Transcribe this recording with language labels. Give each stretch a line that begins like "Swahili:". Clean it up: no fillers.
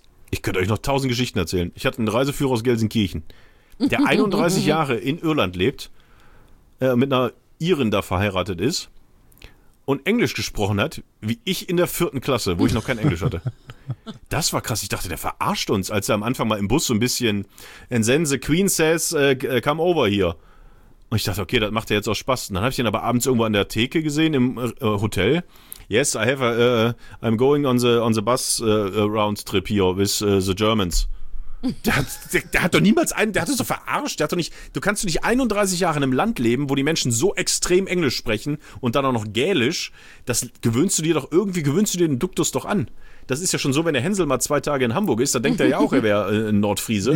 German: Ich könnte euch noch 1000 Geschichten erzählen. Ich hatte einen Reiseführer aus Gelsenkirchen, der 31 Jahre in Irland lebt, mit einer Irin da verheiratet ist und Englisch gesprochen hat, wie ich in der 4. Klasse, wo ich noch kein Englisch hatte. Das war krass. Ich dachte, der verarscht uns, als er am Anfang mal im Bus so ein bisschen
English: and then the Queen says, come over here.
German: Und ich dachte, okay, das macht er jetzt auch Spaß. Und dann habe ich ihn aber abends irgendwo an der Theke gesehen im Hotel.
English: Yes, I have a, I'm going on the bus round trip here with the Germans.
German: Der hat doch niemals einen, der hat es so verarscht. Du kannst nicht 31 Jahre in einem Land leben, wo die Menschen so extrem Englisch sprechen und dann auch noch Gälisch. Das gewöhnst du dir doch irgendwie, gewöhnst du dir den Duktus doch an. Das ist ja schon so, wenn der Hänsel mal 2 Tage in Hamburg ist, da denkt er ja auch, er wäre ein Nordfriese.